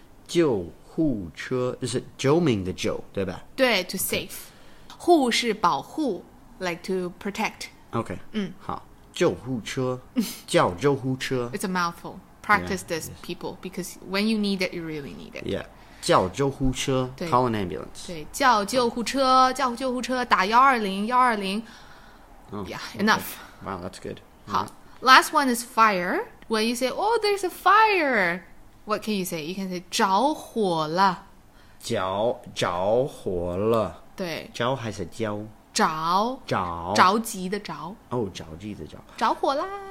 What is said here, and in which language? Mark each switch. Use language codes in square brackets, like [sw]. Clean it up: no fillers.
[zh] 救护车, [en] is it [zh] 救命的救, 对吧? [en] 对, to save. Okay. [zh] 护是保护, [en] like to protect. Okay. 嗯， [zh] 好，救护车，叫救护车。 [en] It's a mouthful. Practice this, people, because when you need it, you really need it. Yeah. [zh] 叫救护车, [en] call an ambulance. [zh] 对，叫救护车，叫救护车，打120，120。 [en] Yeah, enough. Wow, that's good. 好, last one is fire. When you say, oh, there's a fire, what can you say? You can say, [zh] 着火了。着火了。对，着还是焦？着，着，着急的着。哦，着急的着。着火啦！